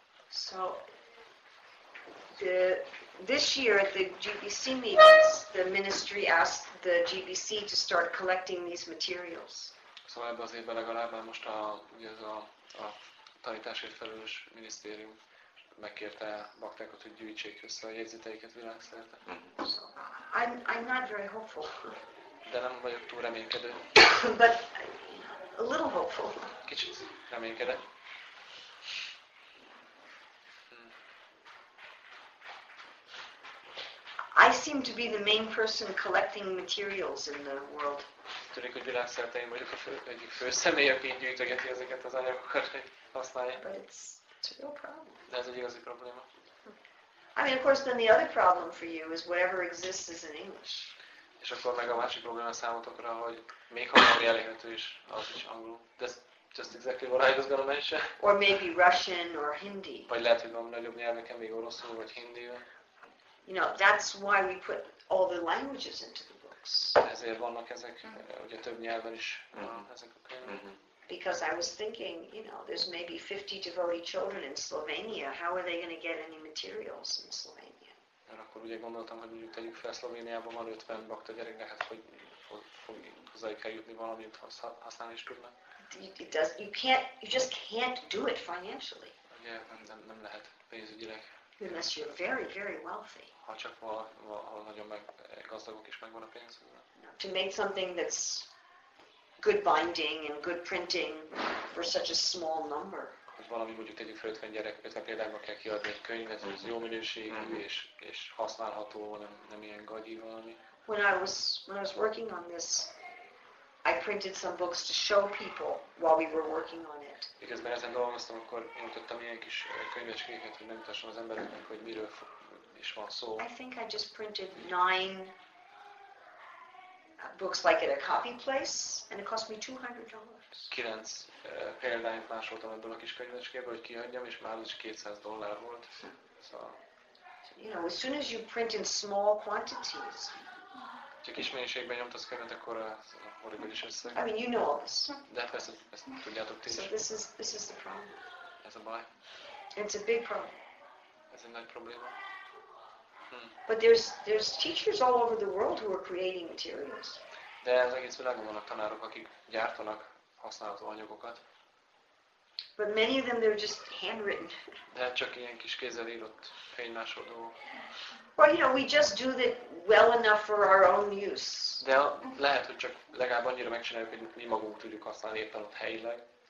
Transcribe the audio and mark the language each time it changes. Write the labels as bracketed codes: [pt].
[en] So this year at the GBC meetings, the ministry asked the GBC to start collecting these materials. [hu] Szóval ebben az évben legalább most a tanításért felelős minisztérium megkérte a baktákat, hogy gyűjtsék össze a jegyzeteiket világszerte. [en] I'm not very hopeful. [hu] De nem vagyok túl reménykedő. [en] But a little hopeful. [hu] Kicsit reménykedek. [en] I seem to be the main person collecting materials in the world. [hu] Tűnik, hogy világszerte én vagyok a fő személy, aki gyűjtögeti ezeket az anyagokat, hogy használja. [en] But it's a real problem. [hu] De ez egy igazi probléma. [en] I mean, of course, then the other problem for you is whatever exists is in English. [hu] És akkor meg a másik probléma számotokra, hogy még ha valami elérhető is, az is angolul. [en] That's just exactly what I was gonna mention. Or maybe Russian or Hindi. [hu] Vagy lehet, hogy van nagyobb nyelveken, még oroszul vagy hindivel. [en] You know, that's why we put all the languages into the books. [hu] Ezért vannak ezek, ugye több nyelven is ezek a könyvek. [en] Because I was thinking, you know, there's maybe 50 devotee children in Slovenia. How are they going to get any materials in Slovenia? [hu] Mert akkor ugye gondoltam, hogy mondjuk tegyük fel Szlovéniában van 50 bakta gyerek, de hát hozzájuk kell jutni valamit, használni is tudnak. [en] You just can't do it financially. [hu] Ugye nem lehet pénzügyileg. [en] Unless you're very, very wealthy. [hu] Ha csak nagyon gazdagok is megvan a pénz. [en] To make something that's good binding and good printing for such a small number. [hu] Hogy valami mondjuk tegyük fel 50 gyerek, 50 példányban kell kiadni egy könyvet, ez jó minőségű és használható, nem ilyen gagyi valami. [en] When I was working on this, I printed some books to show people while we were working on it. [hu] Miközben ezen dolgoztam, akkor mutattam ilyen kis könyvecskéket, hogy megmutassam az embereknek, hogy miről is van szó. [en] I think I just printed 9 books like at a copy place, and it cost me $200. [hu] 9 példányt másoltam ebből a kis könyvecskébe, hogy kiadjam, és már is $200 volt. [en] You know, as soon as you print in small quantities, [hu] csak kis mennyiségben nyomtasz könyvet, akkor horribilis össze. [en] I mean, you know all this. [hu] De persze, ezt tudjátok ti is. [en] So this is the problem. [hu] Ez a baj. [en] It's a big problem. [hu] Ez egy nagy probléma. [en] But there's teachers all over the world who are creating materials. [hu] De az egész világon vannak tanárok, akik gyártanak használható anyagokat. [en] But many of them they're just handwritten. [hu] De csak ilyen kis kézzel írott fénymásoló. [en] Well, you know, we just do that well enough for our own use. [hu] De lehet, hogy csak legalább annyira megcsináljuk, hogy mi magunk tudjuk használni éppen ott helyileg.